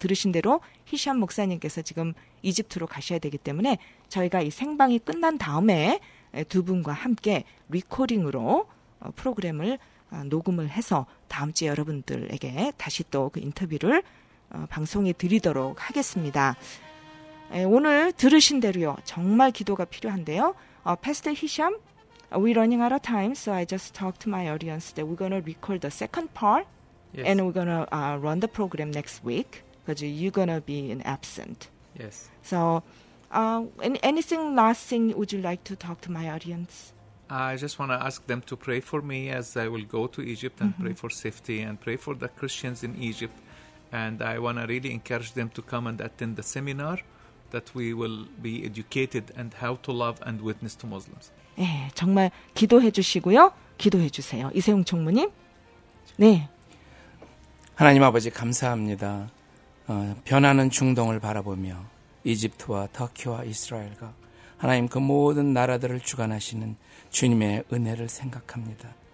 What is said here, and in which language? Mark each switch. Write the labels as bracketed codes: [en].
[ko] 들으신 대로 히샴 목사님께서 지금 이집트로 가셔야 되기 때문에 저희가 이 생방이 끝난 다음에 두 분과 함께 리코딩으로 프로그램을 녹음을 해서 다음 주에 여러분들에게 다시 또 그 인터뷰를 방송해 드리도록 하겠습니다. 오늘 들으신 대로요. 정말 기도가 필요한데요. [en] Pastor Hisham, we're running out of time, so I just talked to my audience that we're going to record the second part. Yes. And we're going to run the program next week because you're going to be in absent. Yes. So anything last thing would you like to talk to my audience? I just want to ask them to pray for me as I will go to Egypt and mm-hmm. pray for safety and pray for the Christians in Egypt. And I want to really encourage them to come and attend the seminar that we will be educated and how to love and witness to Muslims. [ko] 네, 정말 기도해 주시고요. 기도해 주세요. 이세웅 총무님. 네. 하나님 아버지 감사합니다. 변하는 중동을 바라보며 이집트와 터키와 이스라엘과 하나님 그 모든 나라들을 주관하시는 주님의 은혜를 생각합니다.